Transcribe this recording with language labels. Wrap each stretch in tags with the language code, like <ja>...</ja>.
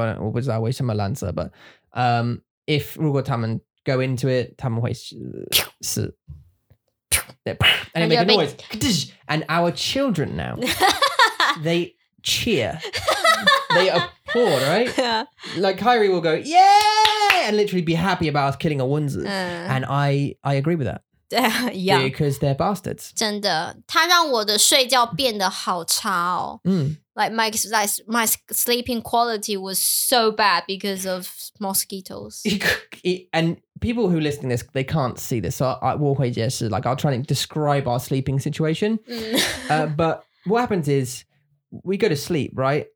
<en>I don't know, was that way some lancer, but if</en> <zh>如果他们</zh> <en>go into it,</en> <zh>他们会是,</zh> <en>and it makes a noise. And our children now, they cheer. They applaud, right? Yeah. Like Kyrie will go, yeah, and literally be happy about us killing a 蚊子. And I agree with that. Yeah. Because they're bastards.</en> <zh>真的,他让我的睡觉变得好差哦.</zh> <en>Like my sleeping quality was so bad because of mosquitoes. And people who are listening to this, they can't see this. So I will like I'll try to describe our sleeping situation. But what happens is we go to sleep, right?</en>